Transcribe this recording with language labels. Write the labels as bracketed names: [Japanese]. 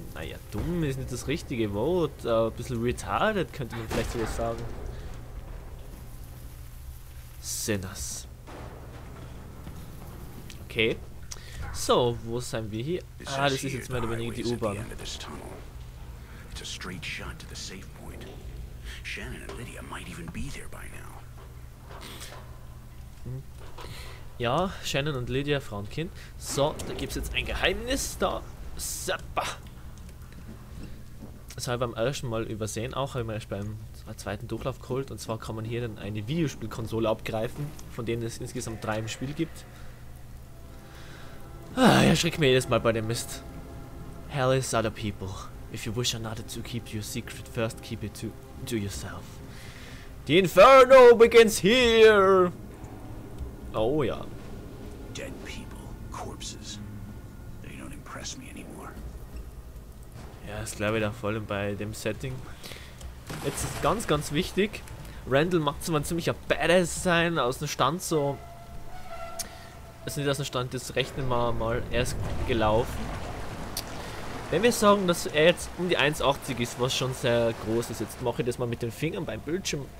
[German] Naja, dumm ist nicht das richtige Wort, ein bisschen retarded könnte man vielleicht sogar sagen. [English] Sinners. [German] Okay. So, wo sind wir hier? Ah, das ist jetzt meine wenige die U-Bahn. [English] It's a straight shot to the safe point. Shannon and Lydia might even be there by now. [German] Ja, Shannon und Lydia, Frau und Kind. So, da gibt's jetzt ein Geheimnis da. Super. Das habe ich beim ersten Mal übersehen, auch habe ich mir erst beim zweiten Durchlauf geholt. Und zwar kann man hier dann eine Videospielkonsole abgreifen, von denen es insgesamt 3 im Spiel gibt. Ah, ja, schreck mir jedes Mal bei dem Mist. [English] Hell is other people. If you wish another to keep your secret, first keep it to yourself. The Inferno begins here! [German] Oh ja. [English] Dead people, corpses. They don't impress me anymore. [German] Ja, ist glaube ich da voll bei dem Setting. Jetzt ist ganz, ganz wichtig. Randall mag zwar ein ziemlicher Badass sein, aus dem Stand so. Also nicht aus dem Stand, das rechnen wir mal. Er ist gelaufen. Wenn wir sagen, dass er jetzt um die 1,80 ist, was schon sehr groß ist, jetzt mache ich das mal mit den Fingern beim Bildschirm.